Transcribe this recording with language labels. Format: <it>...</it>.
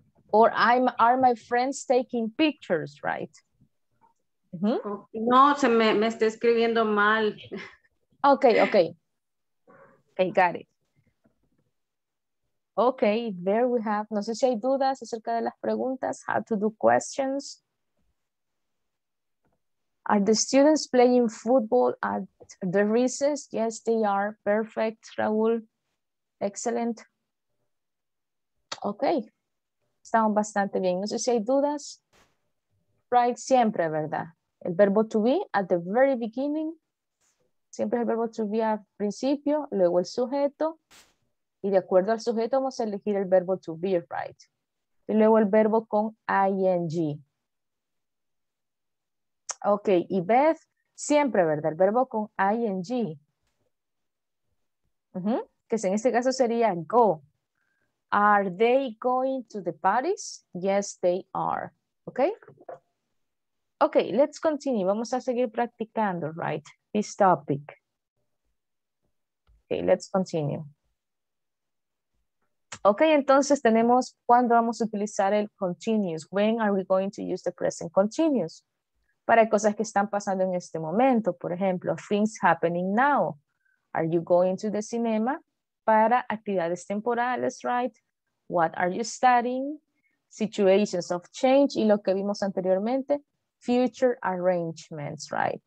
<en>Or are my friends taking pictures, right?</en> <es>Mm-hmm. No, se me está escribiendo mal.</es> <en>Okay, okay. Okay, got it. Okay, there we have.</en> <es>No sé si hay dudas acerca de las preguntas.</es> <en>How to do questions. Are the students playing football at the recess? Yes, they are. Perfect, Raúl. Excellent. Okay.</en> <es>Estaban bastante bien. No sé si hay dudas. Right, siempre, ¿verdad? El verbo</es> <en>to be at the very beginning.</en> <es>Siempre es el verbo to be al principio, luego el sujeto. Y de acuerdo al sujeto vamos a elegir el verbo to be, right? Y luego el verbo con ing. Ok, y Beth, siempre, ¿verdad? El verbo con ing.</es> <en>Uh-huh.</en> <es>Que en este caso sería</es> <en>go. Are they going to the parties? Yes, they are. Ok. Ok, let's continue.</en> <es>Vamos a seguir practicando,</es> <en>right? This topic. Ok, let's continue.</en> <es>Ok, entonces tenemos, ¿cuándo vamos a utilizar el continuous?</es> <en>When are we going to use the present continuous?</en> <es>Para cosas que están pasando en este momento. Por ejemplo,</es> <en>things happening now. Are you going to the cinema?</en> <es>Para actividades temporales,</es> <en>right? What are you studying? Situations of change.</en> <es>Y lo que vimos anteriormente,</es> <en>future arrangements, right?</en>